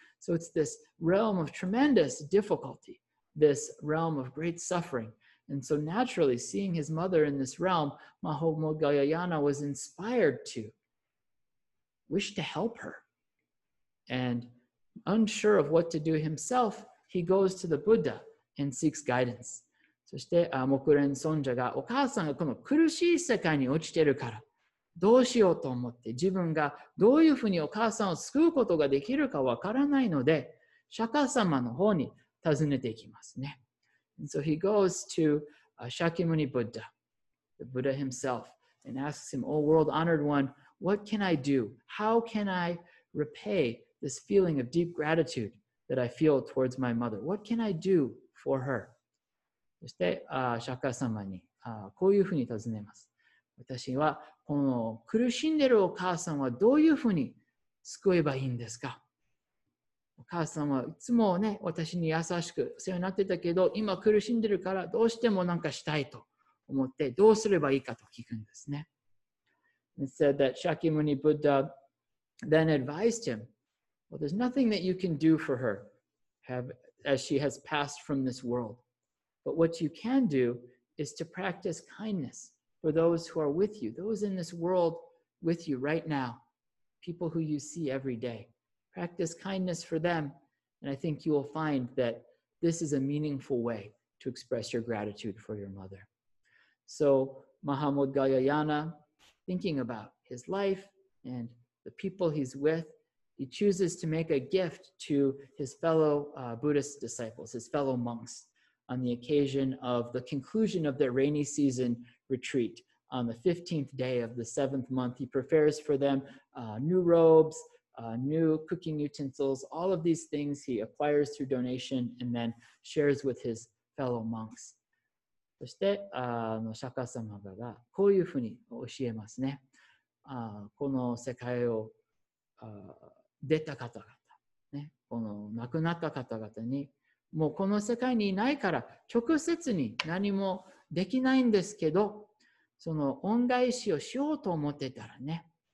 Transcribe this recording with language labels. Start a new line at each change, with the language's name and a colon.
English: So it's this realm of tremendous difficulty, this realm of great suffering. And so naturally, seeing his mother in this realm, Mahamudgalyayana was inspired to wish to help her. And unsure of what to do himself, he goes to the Buddha and seeks guidance.
Japanese: そして、Mokuren Sonja が、お母さんがこの苦しい世界に落ちてるから、どうしようと思って、自分がどういうふうにお母さんを救うことができるかわからないので、釈迦様の方に尋ねていきますね。
English: And so he goes to Shakyamuni Buddha, the Buddha himself, and asks him, O world honored one, what can I do? How can I repay this feeling of deep gratitude that I feel towards my mother? What can I do for her?
Japanese: そして、釈迦様に、こういうふうに尋ねます。私は、この苦しんでるお母さんはどういうふうに救えばいいんですか？お母さんはいつもね、私に優しく世話になってたけど、今苦しんでるからどうしてもなんかしたいと思って、どうすればいいかと聞くんですね。
English: It said that Shakyamuni Buddha then advised him,Well, there's nothing that you can do for her as she has passed from this world. But what you can do is to practice kindness for those who are with you, those in this world with you right now, people who you see every day. Practice kindness for them, and I think you will find that this is a meaningful way to express your gratitude for your mother. So Mahamudgalyayana, thinking about his life and the people he's with,He chooses to make a gift to his fellow Buddhist disciples, his fellow monks, on the occasion of the conclusion of their rainy season retreat. On the 15th day of the 7th month, he prepares for them new robes, new cooking utensils, all of these things he acquires through donation and then shares with his fellow monks.
Japanese: そして、釈迦様がこういうふうに教えますね。この世界を出た方々、ね、この亡くなった方々にもうこの世界にいないから直接に何もできないんですけどその恩返しをしようと思ってたらね